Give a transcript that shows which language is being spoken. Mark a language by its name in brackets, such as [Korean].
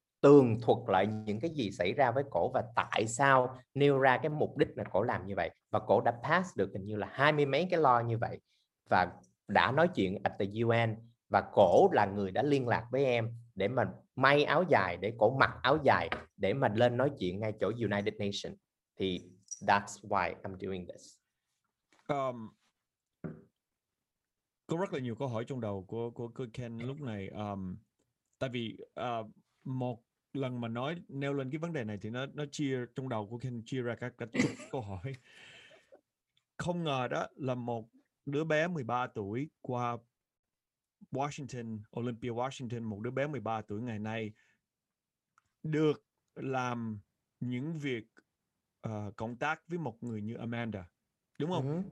[Vietnamese] tường thuật lại những cái gì xảy ra với cổ và tại sao nêu ra cái mục đích là cổ làm như vậy. Và cổ đã pass được hình như là 20 mấy cái law như vậy và đã nói chuyện [English] at the UN, [Vietnamese] và cổ là người đã liên lạc với em để mà may áo dài, để cổ mặc áo dài để mà lên nói chuyện ngay chỗ United Nations. [English] Thì that's why I'm doing this. [Vietnamese] Có rất là nhiều câu hỏi trong đầu của Ken lúc này. Tại vì một lần mà nói nêu lên cái vấn đề này thì nó chia trong đầu của Ken chia ra các câu hỏi. Không ngờ đó là một đứa bé 13 tuổi qua Washington, Olympia Washington, một đứa bé 13 tuổi ngày nay được làm những việc cộng tác với một người như Amanda. Đúng không? Mm-hmm.